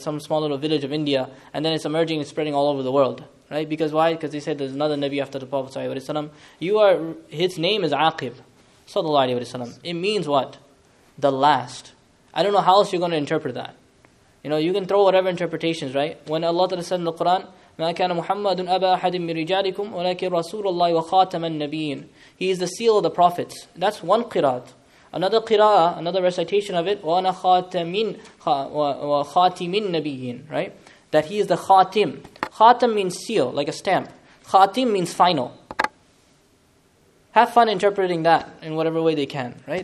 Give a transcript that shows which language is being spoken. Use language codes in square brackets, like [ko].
[en] Some small little village of India. And then it's emerging and spreading all over the world, right? Because why? Because they said there's another Nabi after the Prophet ﷺ. His name is Aqib. Sallallahu alayhi wa sallam. It means what? The last. I don't know how else you're going to interpret that. You know, you can throw whatever interpretations, right? When Allah Ta'ala said in the Quran, [ar] مَا كَانَ مُحَمَّدٌ أَبَا أَحَدٍ مِّن رِجَالِكُمْ وَلَكِنْ رَسُولُ اللَّهِ وَخَاتَمَ النَّبِيِّينَ. [en] He is the seal of the prophets. That's one qiraat. Another qiraat, another recitation of it, [ar] وَأَنَا خَاتِمٍ نَبِيِّينَ. [en] Right? That he is the khatim. Khatim means seal, like a stamp. Khatim means final. Have fun interpreting that in whatever way they can, right?